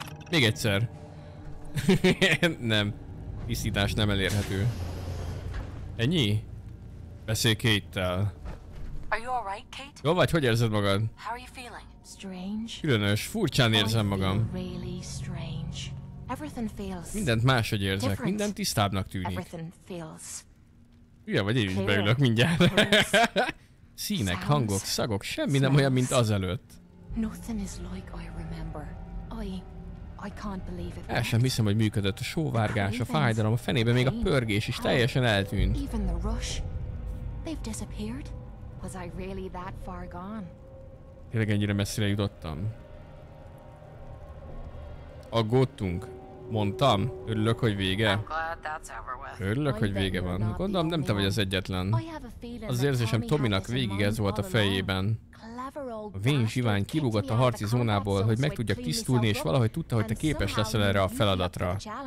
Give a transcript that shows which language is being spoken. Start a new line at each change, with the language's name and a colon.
Hungarian: Még egyszer. Nem. Tisztítás nem elérhető. Ennyi? Beszélj Kate-tel.
English: Are you all right, Kate?
Hungarian: Jó vagy, hogy érzed magad?
English: How are you feeling? Strange.
Hungarian: Különös, furcsán érzem magam.
English: Really strange. Everything feels.
Hungarian: Mindent máshogy érzek.
English: Different.
Hungarian: Minden tisztábbnak tűnik.
English: Everything feels.
Hungarian: Ugye vagy én is beülök mindjárt. Színek, hangok, szagok, semmi nem olyan, mint azelőtt.
English: Nothing is like I remember. I can't believe it.
Hungarian: El sem hiszem, hogy működött a sóvárgás, a fájdalom, a fenébe még a pörgés is teljesen eltűnt.
English: Even the rush. They've disappeared. Was I really that far gone?
Hungarian: Tényleg ennyire messzire jutottam. Aggódtunk. Mondtam. Örülök, hogy vége. Örülök, hogy vége van. Gondolom, nem te vagy az egyetlen. Az érzésem Tominak végig ez volt a fejében. A vén zsivány kibúgott a harci zónából, hogy meg tudjak tisztulni, és valahogy tudta, hogy te képes leszel erre a feladatra.